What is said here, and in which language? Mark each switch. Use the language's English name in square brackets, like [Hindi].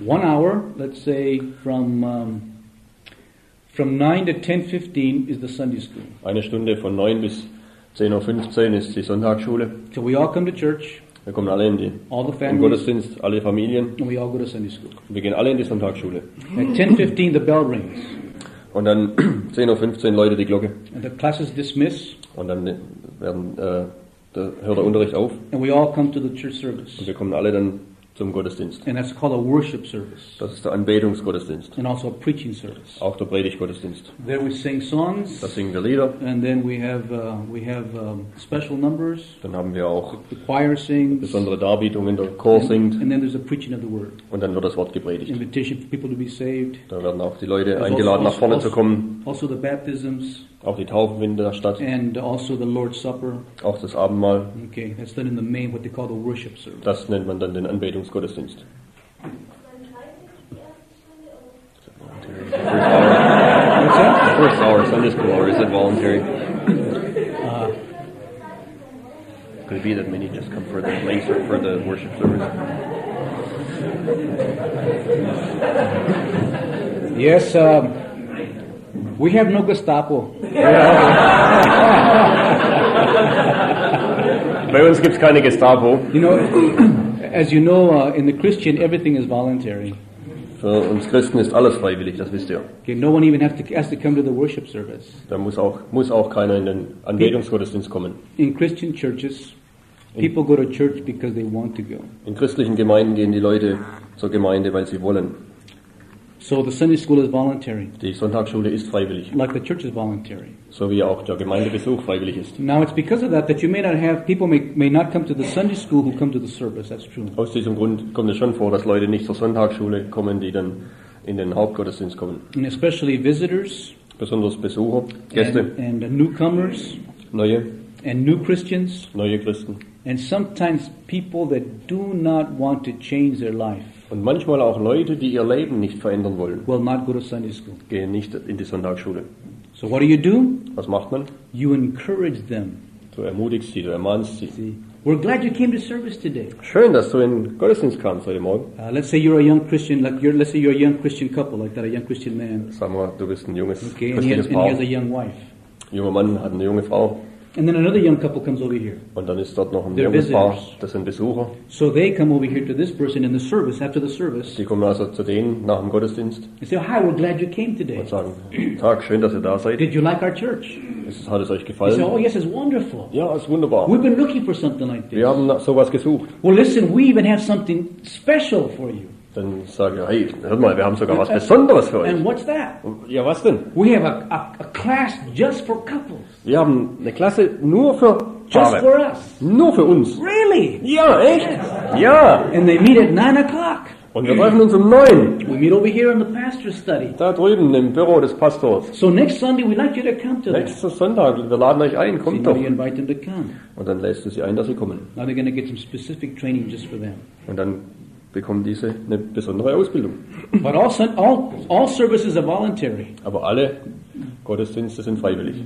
[English] 1 hour, let's say from 9 to 10:15 is the Sunday school. [German] Eine Stunde von 9 bis 10:15 ist die Sonntagsschule. [English] So we all come to church. [German] Wir kommen alle in den [English] all the families, [German] Gottesdienst, alle Familien. [English] And we all go to Sunday school. [German] Wir gehen alle in die Sonntagsschule. [English] At 10:15 the bell rings. [German] Und dann 10:15 läutet die Glocke. [English] And the class is dismissed. [German] Und dann werden da hört der Unterricht auf. [English] And we all come to the church service. [German] Und wir kommen alle dann zum Gottesdienst. [English] And that's called a worship service. [German] Das ist der Anbetungsgottesdienst. [English] And also a preaching service. [German] Auch der Predigtgottesdienst. [English] There we sing songs. [German] Da singen wir Lieder. [English] And then we have special numbers. [German] Dann haben wir auch [English] the choir sings. [German] Besondere Darbietungen, der Chor singt. [English] And then there's a preaching of the word. [German] Und dann wird das Wort gepredigt. [English] Invitation for people to be saved. [German] Da werden auch die Leute eingeladen, nach vorne zu kommen. [English] Also the baptisms. [German] Auch die Taufen finden da statt. [English] And also the Lord's Supper. [German] Auch das Abendmahl. [English] Okay, that's then in the main what they call the worship service. [German] Das nennt man dann den Anbetungsgottesdienst. [English] What's that? The first hour, Sunday school hour, is it voluntary? Could it be that many just come for the place or for the worship service? Yes, we have no Gestapo. [German] Bei uns gibt's keine Gestapo. [English] You know, as you know, in the Christian, everything is voluntary. [German] Für uns Christen ist alles freiwillig, das wisst ihr. [English] Okay, no one even has to come to the worship service. [German] Da muss auch keiner in den Anbetungsgottesdienst kommen. [English] In Christian churches, people go to church because they want to go. [German] In christlichen Gemeinden gehen die Leute zur Gemeinde, weil sie wollen. [English] So the Sunday school is voluntary. [German] Die Sonntagsschule ist freiwillig. [English] Like the church is voluntary. [German] So wie auch der Gemeindebesuch freiwillig ist. [English] Now it's because of that that you may not have people may not come to the Sunday school who come to the service. That's true. [German] Aus diesem Grund kommt es schon vor, dass Leute nicht zur Sonntagsschule kommen, die dann in den Hauptgottesdienst kommen. [English] And especially visitors. [German] Besonders Besucher, Gäste. [English] And newcomers. [German] Neue. [English] And new Christians. [German] Neue Christen. [English] And sometimes people that do not want to change their life. [German] Und manchmal auch Leute, die ihr Leben nicht verändern wollen, [English] will not go to Sunday school. [German] Gehen nicht in die Sonntagsschule. [English] So what do you do? [German] Was macht man? [English] You encourage them. [German] Du ermutigst sie, du ermahnst sie. [English] See, we're glad you came to service today. [German] Schön, dass du in Gottesdienst kamst heute Morgen. [English] Let's say you're a young Christian, let's say you're a young Christian couple, like that, a young Christian man. [German] Sag mal, du bist ein junges, [English] okay, [German] christliches [English] Paar. And he has a young wife. [German] Junger Mann hat eine junge Frau. [English] And then another young couple comes over here. [German] Und dann ist dort noch ein junges Paar, das sind Besucher. [English] So they come over here to this person in the service, after the service. [German] Die kommen also zu denen nach dem Gottesdienst. [English] And say, hi, we're glad you came today. [German] Und sagen, Tag, schön, dass ihr da seid. [English] Did you like our church? [German] Hat es euch gefallen? [English] They say, oh yes, it's wonderful. [German] Ja, es ist wunderbar. [English] We've been looking for something like this. [German] Wir haben sowas gesucht. [English] Well listen, we even have something special for you. [German] Dann sage ich, hey, hört mal, wir haben sogar was Besonderes für euch. [English] And what's that? [German] Ja, was denn? [English] We have a class just for couples. [German] Wir haben eine Klasse nur für Paare. [English] Just for us. [German] Nur für uns. [English] Really? [German] Ja, echt? [English] Yes. [German] Ja. [English] And they meet at 9 o'clock. [German] Und wir treffen uns um 9. [English] We meet over here in the pastor's study. [German] Da drüben im Büro des Pastors. [English] So next Sunday we'd like you to come to them. [German] Nächsten Sonntag, wir laden euch ein, kommt doch. [English] We invite them to come. [German] Und dann lässt du sie ein, dass sie kommen. [English] Now they're going to get some specific training just for them. [German] Und dann bekommen diese eine besondere Ausbildung. [English] But all services are voluntary. [German] Aber alle Gottesdienste sind freiwillig.